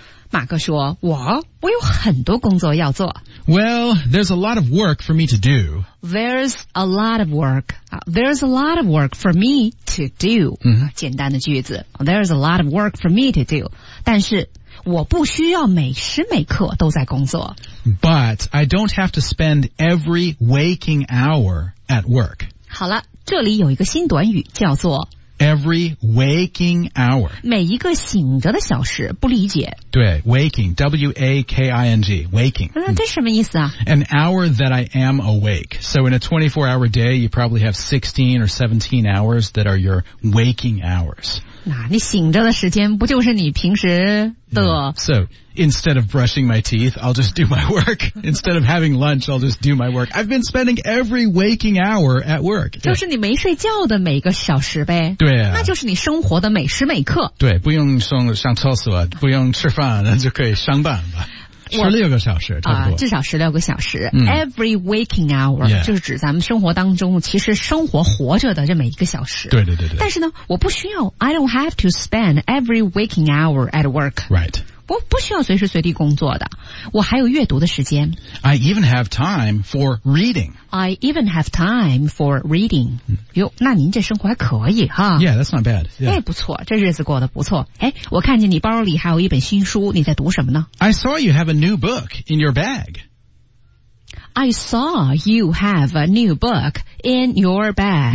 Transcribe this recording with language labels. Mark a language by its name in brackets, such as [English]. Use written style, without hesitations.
[Chinese] 马克说我有很多工作要做。 [English] Well, there's a lot of work for me to do. There's a lot of work. There's a lot of work for me to do.、嗯、 [Chinese] 简单的句子。 [English] There's a lot of work for me to do. [Chinese] 但是我不需要每时每刻都在工作。 [English] But I don't have to spend every waking hour at work. [Chinese] 好了，这里有一个新短语叫做 [English] every waking hour. [Chinese] 每一个醒着的小时，不理解。对 ,waking, W-A-K-I-N-G, waking. 这什么意思啊？ [English] An hour that I am awake. So in a 24-hour day, you probably have 16 or 17 hours that are your waking hours. [Chinese] 你醒着的时间不就是你平时的、 [English] yeah. So, instead of brushing my teeth, I'll just do my work. Instead of having lunch, I'll just do my work. I've been spending every waking hour at work. [Chinese] 就是你没睡觉的每个小时呗。对、啊、那就是你生活的每时每刻。对，不用上厕所，不用吃饭，就可以上班吧。 16个小时差不多、至少16个小时、嗯、 [English] Every waking hour、 yeah. [Chinese] 就是指咱们生活当中其实生活活着的这么一个小时对对对对但是呢我不需要 [English] I don't have to spend every waking hour at work Right [Chinese] 我不需要随时随地工作的我还有阅读的时间 [English] I even have time for reading I even have time for reading、嗯、 [Chinese] 哟那您这生活还可以哈 [English] Yeah that's not bad、yeah. [Chinese] 哎不错这日子过得不错哎我看见你包里还有一本新书你在读什么呢 [English] I saw you have a new book in your bag I saw you have a new book in your bag、